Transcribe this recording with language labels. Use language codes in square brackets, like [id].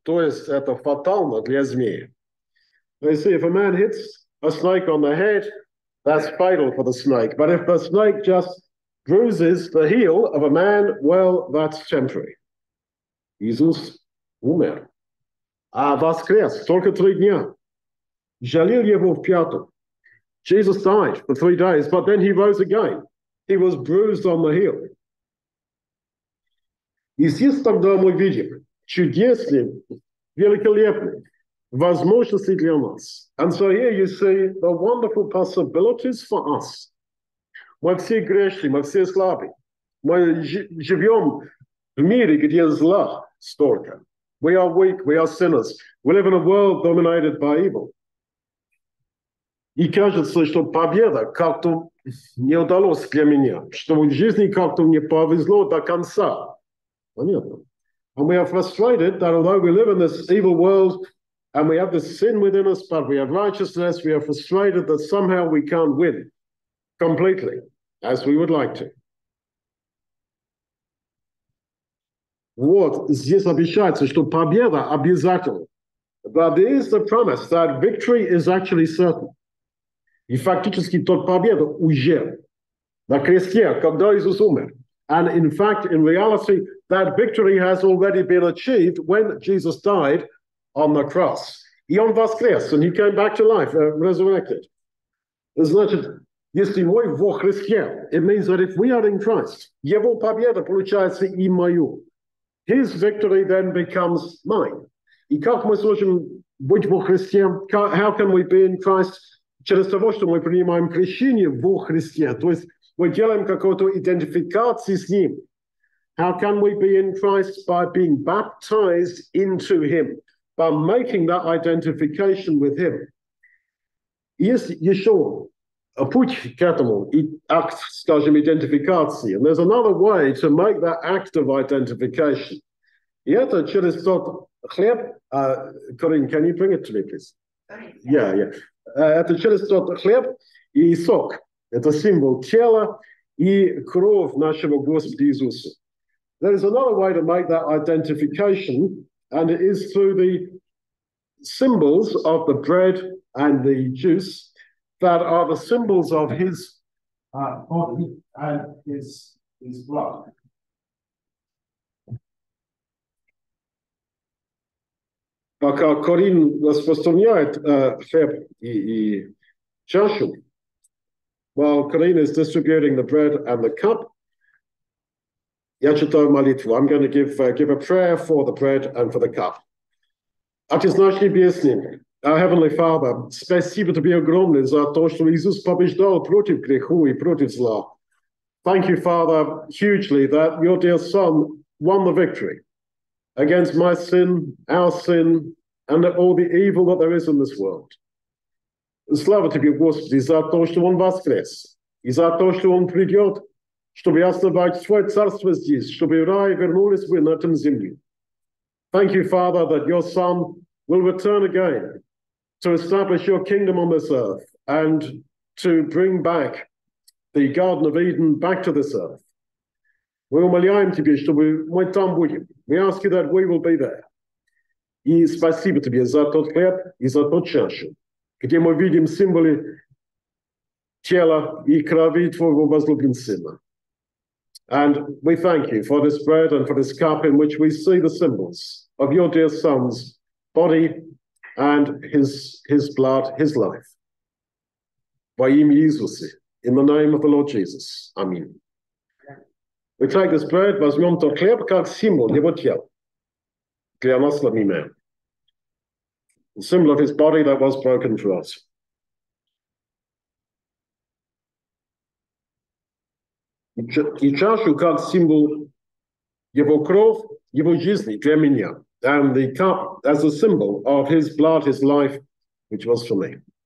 [ru] То есть это фатально для змея. [en] They say if a man hits a snake on the head, that's fatal for the snake. But if the snake just bruises the heel of a man, well, that's temporary. [ru] Иисус умер. А воскрес только 3 дня. Жалил его в пяту. [en] Jesus died for 3 days, but then he rose again. He was bruised on the heel. [ru] Иисус, тогда мы видим чудесный, великолепный. Возможности для нас. [en] And so here you see the wonderful possibilities for us. [ru] Мы все грешны, мы все слабы. Мы живем в мире, где зла столько. [en] We are weak, we are sinners. We live in a world dominated by evil. [ru] И кажется, что победа как-то не удалась для меня, что в жизни как-то мне повезло до конца. Понятно. [en] And we are frustrated that although we live in this evil world, and we have this sin within us, but we have righteousness. We are frustrated that somehow we can't win completely as we would like to. [ru] Вот здесь обещается, что победа обязательна. [en] But there is the promise that victory is actually certain. [ru] И фактически тот победа уже на кресте, когда Иисус умер. [en] And in fact, in reality, that victory has already been achieved when Jesus died on the cross. [ru] И он воскрес, [en] and he came back to life, resurrected. [ru] Значит, если мы во Христе, [en] it means that if we are in Christ, [ru] его победа получается и мою. [en] His victory then becomes mine. [ru] И как мы сможем быть во Христе? [en] How can we be in Christ? [ru] Через того, что мы принимаем крещение во Христе, то есть мы делаем какую-то идентификацию с ним. [en] How can we be in Christ? By being baptized into him. By making that identification with him. [ru] Есть еще путь к этому, акт, скажем, идентификации. [en] And there's another way to make that act of identification. [ru] И это через тот хлеб, [en] Corinne, can you bring it to me, please? Yeah, yeah. [ru] Это через тот хлеб и сок. Это символ тела и кровь нашего Господа Иисуса. [en] There is another way to make that identification, and it is through the symbols of the bread and the juice that are the symbols of his body and his blood. [ru] Пока Корин распространяет хлеб и чашу, [en] while Corin is distributing the bread and the cup, [ru] я читаю молитву. [en] I'm going to give a prayer for the bread and for the cup. [ru] Отец наш небесный, [en] our Heavenly Father, [ru] спасибо тебе огромное за то, что Иисус побеждал против греху и против зла. [en] Thank you, Father, hugely that your dear Son won the victory against my sin, our sin, and all the evil that there is in this world. [ru] Слава тебе, Господи, за то, что Он воскрес, и за то, что Он придет, чтобы основать свое царство здесь, чтобы рай вернулись вы на этом земле. [en] Thank you, Father, that your Son will return again to establish your kingdom on this earth and to bring back the Garden of Eden back to this earth. [ru] Мы умоляем тебе, чтобы мы там будем. [en] We ask you that we will be there. [ru] И спасибо тебе за тот хлеб и за тот чашу, где мы видим символы тела и крови твоего возлюбленного сына. [en] And we thank you for this bread and for this cup in which we see the symbols of your dear son's body and his blood, his life. [ru] Во имя Иисуса, [en] in the name of the Lord Jesus. Amen. We take this bread, [ru] возьмем тот хлеб, как символ его тела. Для нас самим. [en] The symbol of his body that was broken for us. [ru] И чашу как символ его крови, его жизни для меня. [en] And the cup as a symbol of his blood, his life, which was for me.